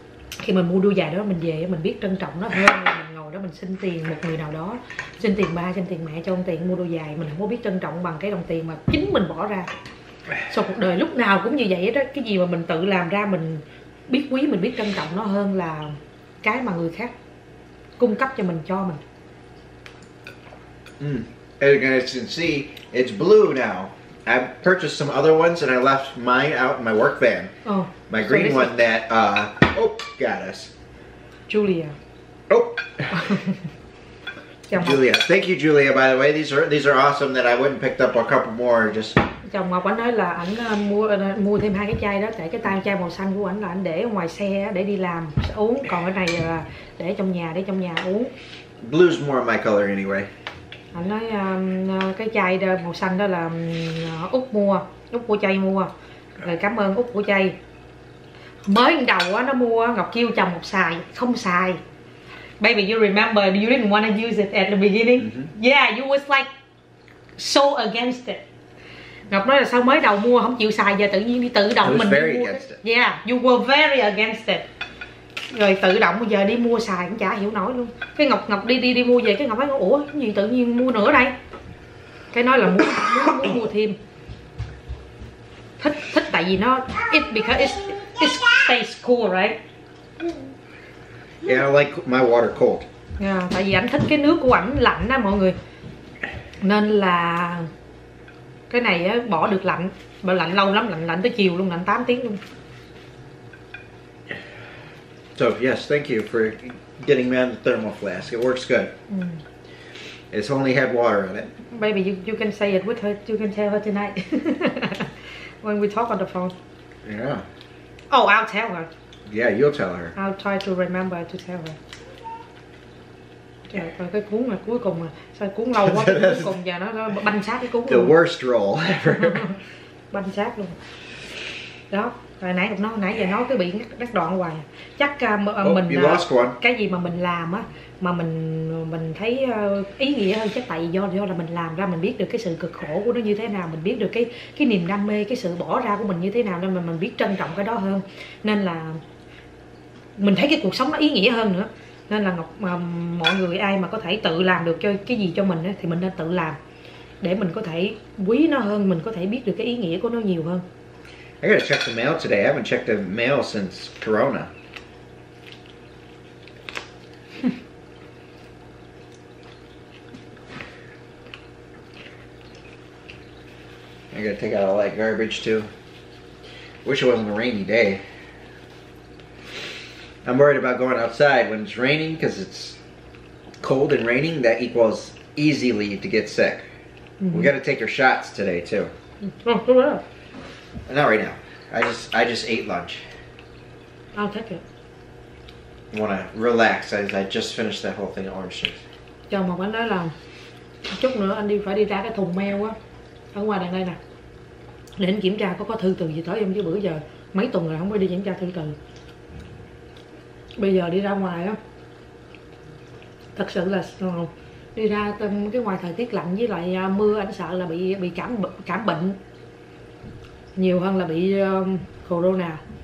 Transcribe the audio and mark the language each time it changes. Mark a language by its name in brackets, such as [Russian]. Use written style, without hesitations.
[Vietnamese] Khi mình mua đồ dài đó mình về mình biết trân trọng nó hơn là mình ngồi đó mình xin tiền một người nào đó, xin tiền ba, xin tiền mẹ cho ông tiền mua đồ dài. Mình không có biết trân trọng bằng cái đồng tiền mà chính mình bỏ ra. Sau cuộc đời lúc nào cũng như vậy đó, cái gì mà mình tự làm ra mình biết quý, mình biết trân trọng nó hơn là cái mà người khác cung cấp cho mình, cho mình. [English] As you guys can see, it's blue now. I purchased some other ones and I left mine out in my work van. Oh, my green one that got us. Julia. Oh. Julia, thank you, Julia. By the way, these are awesome. That I went and picked up a couple more just. [Vietnamese] Chồng Ngọc anh nói là ảnh mua thêm hai cái chai đó, tại cái tan chai màu xanh của ảnh là ảnh để ngoài xe để đi làm uống, còn cái này là để trong nhà uống. [English] Blue's more my color anyway. [Vietnamese] Anh nói cái chai đó, màu xanh đó là Út mua, Út của chay mua. Rồi cảm ơn Út của chay. Mới đầu á nó mua, Ngọc kêu chồng Ngọc xài, không xài. [English] Baby, you remember you didn't want to use it at the beginning. Yeah, you was like so against it. [Vietnamese] Ngọc nói là sao mới đầu mua không chịu xài, giờ tự nhiên đi tự động mình [English] very [Vietnamese] đi mua. [English] It. Yeah, you were very against it. [Vietnamese] Rồi tự động bây giờ đi mua xài cũng chả hiểu nổi luôn. Cái Ngọc đi đi mua về, cái Ngọc nói ủa gì tự nhiên mua nữa đây. Cái nói là muốn mua thêm. Thích tại vì nó [English] it because it stays cool, right? Yeah, I like my water cold. [Vietnamese] Yeah, tại vì anh thích cái nước của ảnh lạnh á mọi người. Nên là cái này á bỏ được lạnh, mà lạnh lâu lắm, lạnh tới chiều luôn, lạnh 8 tiếng luôn. [English] So, yes, thank you for getting me on the thermal flask. It works good. It's only had water in it. Maybe you can say it with her, you can tell her tonight. When we talk on the phone. Yeah. Oh, I'll tell her. Yeah, you'll tell her. I'll try to remember to tell her. [Vietnamese] Trời ơi, cái cuốn này cuối cùng à. Sao cuốn lâu quá, cuối cùng giờ nó banh sát cái cuốn [English] the [Vietnamese] luôn. [English] Worst roll ever. [Vietnamese] Banh sát luôn. Đó, rồi nãy nó nãy giờ nó cứ bị ngắt đoạn hoài. Chắc mình cái gì mà mình làm á mà mình thấy ý nghĩa hơn, chắc tại vì do là mình làm ra mình biết được cái sự cực khổ của nó như thế nào, mình biết được cái niềm đam mê, cái sự bỏ ra của mình như thế nào, nên mình biết trân trọng cái đó hơn. Nên là mình thấy cái cuộc sống nó ý nghĩa hơn nữa. Nên là mọi người ai mà có thể tự làm được cái gì cho mình thì mình nên tự làm. Để mình có thể quý nó hơn, mình có thể biết được cái ý nghĩa của nó nhiều hơn. [English] I gotta check the mail today. I haven't checked the mail since Corona. I gotta take out all that garbage too. Wish it wasn't a rainy day. I'm worried about going outside when it's raining because it's cold and raining. That equals easily to get sick. Mm-hmm. We gotta take your shots today too. Oh, not right now. I just ate lunch. I'll take it. I wanna relax. I just finished that whole thing of orange juice. [Vietnamese] Chồng mà anh nói là chút nữa anh đi phải đi ra cái thùng mail á ở ngoài đằng đây nè để anh kiểm tra có thư từ gì tới không, chứ bữa giờ mấy tuần rồi không có đi kiểm tra thư từ. Bây giờ đi ra ngoài á, thật sự là đi ra cái ngoài thời tiết lạnh với lại mưa, anh sợ là bị cảm bệnh nhiều hơn là bị corona.